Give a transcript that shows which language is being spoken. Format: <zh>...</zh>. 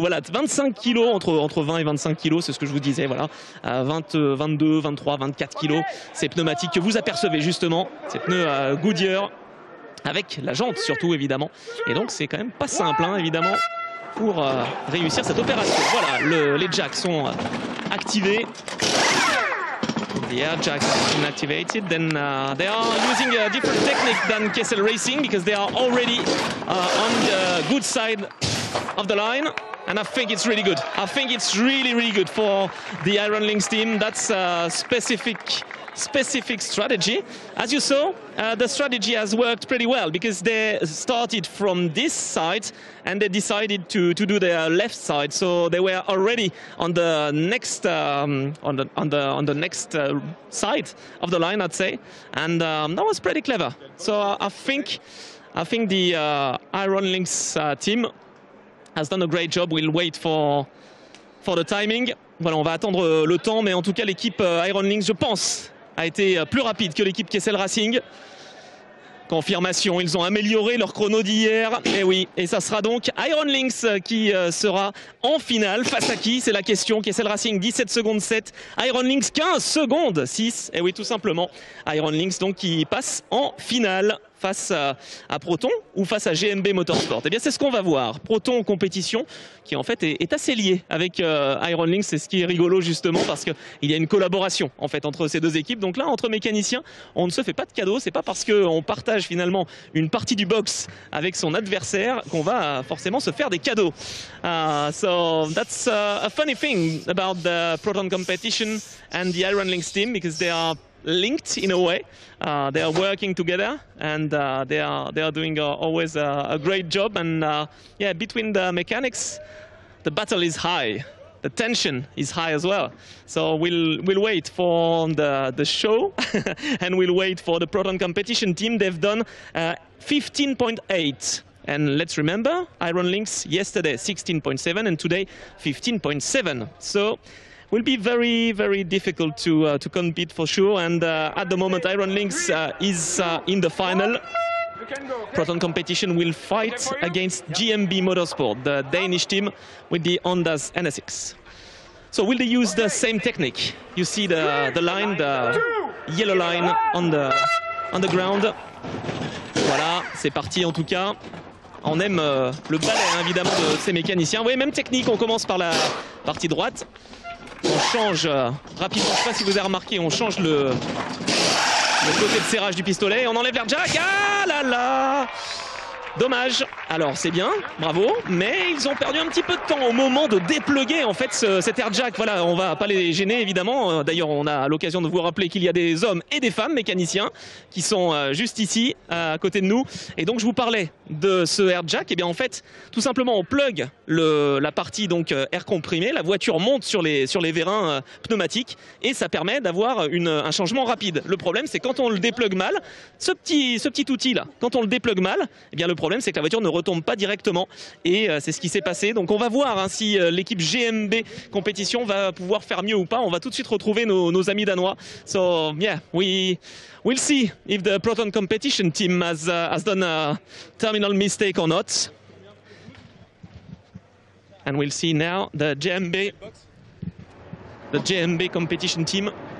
<fr>Voilà, 25 kilos, entre 20 et 25 kilos, c'est ce que je vous disais. Voilà, 20, 22, 23, 24 kilos. Ces pneumatiques que vous apercevez justement, ces pneus Goodyear, avec la jante surtout, évidemment. Et donc, c'est quand même pas simple, hein, évidemment, pour réussir cette opération. Voilà, les jacks sont activés.</fr> <en>The air jacks have been activated, then they are using a different technique than Kessel Racing because they are already on the good side of the line. And I think it's really good. I think it's really, really good for the Iron Lynx team. That's a specific strategy. As you saw, the strategy has worked pretty well because they started from this side and they decided to do their left side. So they were already on the next next side of the line, I'd say. And that was pretty clever. So I think the Iron Lynx team has done a great job. We'll wait for the timing.</en> <fr>Voilà, on va attendre le temps, mais en tout cas, l'équipe Iron Lynx, je pense, a été plus rapide que l'équipe Kessel Racing. Confirmation, ils ont amélioré leur chrono d'hier. Et oui, et ça sera donc Iron Lynx qui sera en finale. Face à qui? C'est la question. Kessel Racing, 17 secondes 7. Iron Lynx, 15 secondes 6. Et oui, tout simplement, Iron Lynx donc qui passe en finale. face à Proton ou face à GMB Motorsport. Eh bien, c'est ce qu'on va voir. Proton en compétition, qui en fait est assez lié avec Ironlink. C'est ce qui est rigolo justement, parce qu'il y a une collaboration en fait entre ces deux équipes. Donc là, entre mécaniciens, on ne se fait pas de cadeaux. C'est pas parce qu'on partage finalement une partie du box avec son adversaire qu'on va forcément se faire des cadeaux.</fr> <en>So that's a funny thing about the Proton competition and the Ironlink team, because they are linked in a way. They are working together, and they are doing always a great job. And yeah, between the mechanics, the battle is high, the tension is high as well. So we'll wait for the show, and we'll wait for the Proton competition team. They've done 15.8. And let's remember, Ironlink yesterday 16.7, and today 15.7. So will be very, very difficult to compete for sure. And at the moment, Ironlink is in the final. Proton competition will fight against GMB Motorsport, the Danish team with the Honda's NSX. So will they use the same technique? You see the line, the yellow line on the ground.</en> <fr>Voilà, c'est parti en tout cas. On aime le balai, évidemment, de ces mécaniciens. Oui, même technique, on commence par la partie droite. On change rapidement, je ne sais pas si vous avez remarqué, on change le côté de serrage du pistolet et on enlève l'air jack. Ah là là, dommage. Alors c'est bien, bravo, mais ils ont perdu un petit peu de temps au moment de dépluguer en fait cet air jack. Voilà, on va pas les gêner évidemment. D'ailleurs, on a l'occasion de vous rappeler qu'il y a des hommes et des femmes mécaniciens qui sont juste ici à côté de nous. Et donc je vous parlais de ce air jack. Et bien en fait, tout simplement, on plug la partie donc air comprimé, la voiture monte sur les vérins pneumatiques et ça permet d'avoir un changement rapide. Le problème, c'est quand on le déplugue mal, ce petit outil là, quand on le déplugue mal, et bien le problème, c'est que la voiture ne retombe pas directement, et c'est ce qui s'est passé. Donc on va voir si l'équipe GMB compétition va pouvoir faire mieux ou pas. On va tout de suite retrouver nos amis danois.</fr> <en>So yeah, we'll see if the Proton competition team has done a terminal mistake or not, and we'll see now the GMB competition team.</en>